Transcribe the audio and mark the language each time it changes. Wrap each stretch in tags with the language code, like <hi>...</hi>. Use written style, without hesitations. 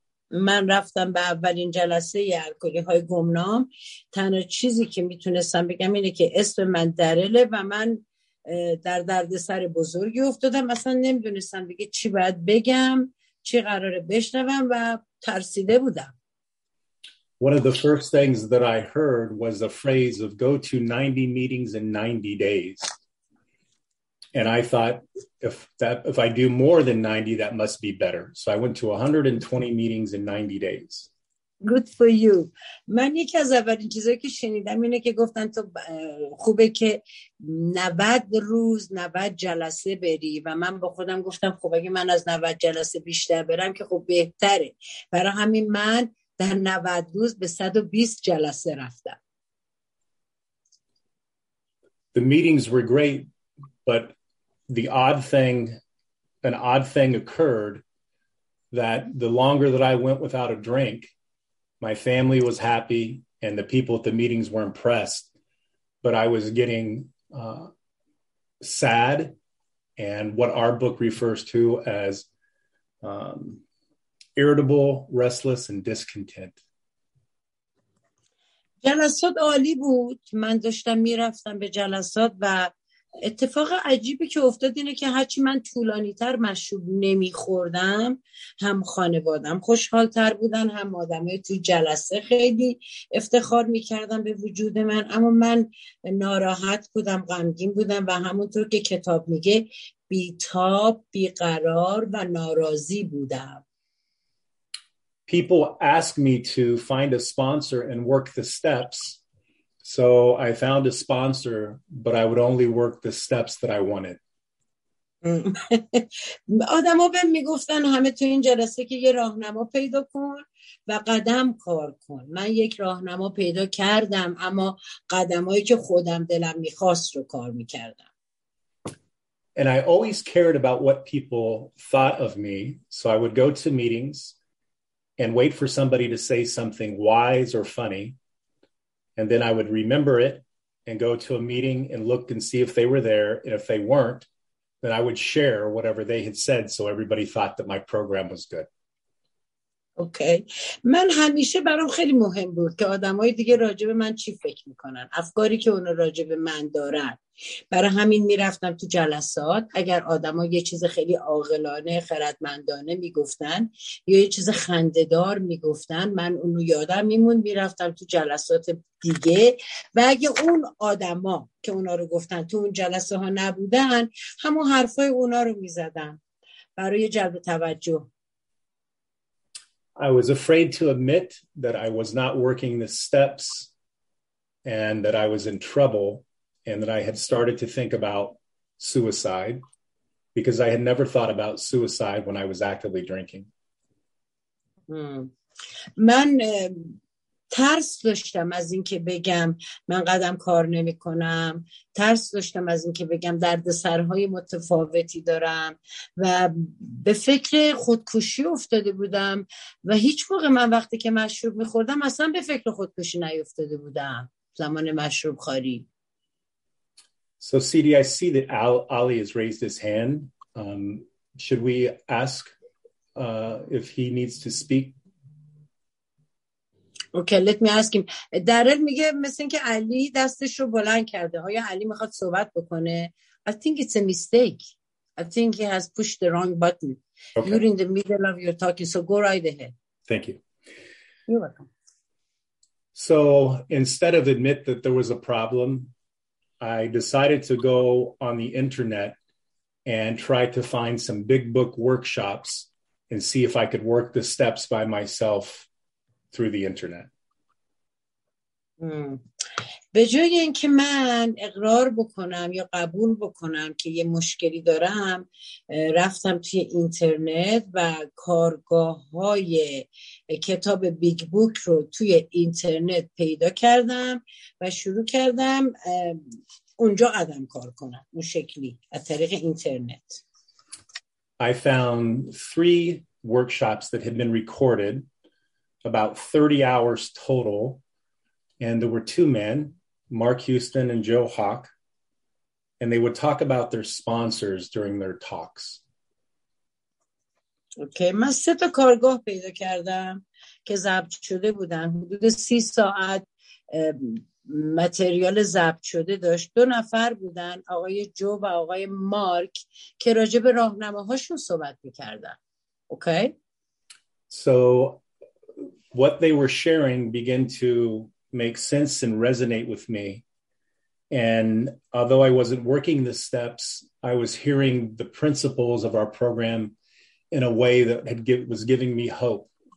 <fa>من رفتم به اولین جلسه الکلی‌های گمنام. تنها چیزی که میتونستم بگم اینه که اسم من درله و من در دردسر بزرگی افتادم. اصلا نمیدونستم دیگه چی باید بگم، چی قراره بشنوم و ترسیده بودم.</fa> <en>One of the first things that I heard was a phrase of go to 90 meetings in 90 days. And I thought, if I do more than 90, that must be better. So I went to 120 meetings in 90 days. Good for you.</en> <fa>من یکی از اولین چیزایی که شنیدم اینه که گفتن تو خوبه که 90 روز 90 جلسه بری و من با خودم گفتم خب اگه من از 90 جلسه بیشتر برم که خب بهتره. برای همین من در 90 روز به 120 جلسه رفتم.</fa> <en>The meetings were great. But the odd thing occurred that the longer that I went without a drink, my family was happy and the people at the meetings were impressed. but I was getting sad, and what our book refers to as irritable, restless, and discontent.</en> <fa>جلسات عالی بود. من داشتم میرفتم به جلسات و اتفاق عجیبی که افتاد اینه که هرچی من طولانی تر مشروب نمیخوردم هم خانوادم خوشحال تر بودن، هم آدمه تو جلسه خیلی افتخار میکردم به وجود من، اما من ناراحت بودم، غمگین بودم و همونطور که کتاب میگه بیتاب، بیقرار و ناراضی بودم.</fa> <en>People ask me to find a sponsor and work the steps. So I found a sponsor, but I would only work the steps that I wanted.</en> <fa>آدم‌ها بهم میگفتن همه تو این جلسه که یه راهنما پیدا کن و قدم کار کن. من یک راهنما پیدا کردم، اما قدمایی که خودم دلم میخواست رو کار میکردم.</fa> <en>And I always cared about what people thought of me, so I would go to meetings and wait for somebody to say something wise or funny, and then I would remember it and go to a meeting and look and see if they were there, and if they weren't, then I would share whatever they had said so everybody thought that my program was good. Okay.</en> <fa>من همیشه برام خیلی مهم بود که آدمای دیگه راجع به من چی فکر میکنن، افکاری که اونا راجع به من دارن. برای همین میرفتم تو جلسات، اگر آدما یه چیز خیلی عاقلانه خردمندانه میگفتن یا یه چیز خنددار میگفتن، من اونو یادم میمون، میرفتم تو جلسات دیگه، و اگه اون آدما که اونا رو گفتن تو اون جلسه ها نبودن، همون حرفای اونا رو میزدم برای جلب توجه.</fa> <en>I was afraid to admit that I was not working the steps and that I was in trouble and that I had started to think about suicide because I had never thought about suicide when I was actively drinking.</en> <fa>من ترس داشتم از اینکه بگم من قدم کار نمی کنم، ترس داشتم از اینکه بگم دردسرهای متفاوتی دارم و به فکر خودکشی افتاده بودم و هیچ موقع من وقتی که مشروب می خوردم اصلا به فکر خودکشی نیفتاده بودم زمان مشروب خاری.</fa> <en>So CD, I see that Ali has raised his hand. Should we ask if he needs to speak? Okay, let me ask him.</en> <fa>Darrell میگه مثل اینکه علی دستش رو بلند کرده. آیا علی میخواد صحبت بکنه؟</fa> <en>I think it's a mistake. I think he has pushed the wrong button. Okay. You're in the middle of your talking, so go right ahead. Thank you. You're welcome. So instead of admit that there was a problem, I decided to go on the internet and try to find some big book workshops and see if I could work the steps by myself through the internet.</en> <fa>به جای اینکه من اقرار بکنم یا قبول بکنم که یه مشکلی دارم، رفتم توی اینترنت و کارگاه‌های کتاب بیگ بوک رو توی اینترنت پیدا کردم و شروع کردم اونجا قدم کار کنم، اون شکلی از طریق اینترنت.</fa> <en>I found three workshops that had been recorded, about 30 hours total, and there were two men, Mark Houston and Joe Hawk, and they would talk about their sponsors during their talks.</en> <fa>Okay, من سه تا کارگاه پیدا کردم که ضبط شده بودن. حدود 30 ساعت متریال ضبط شده داشت. دو نفر بودن، آقای جو و آقای مارک، که راجع به راهنماهاشون صحبت می‌کردن.</fa> <en>Okay? So what they were sharing began to make sense and resonate with me. And although I wasn't working the steps, I was hearing the principles of our program in a way that had was giving me hope.</en>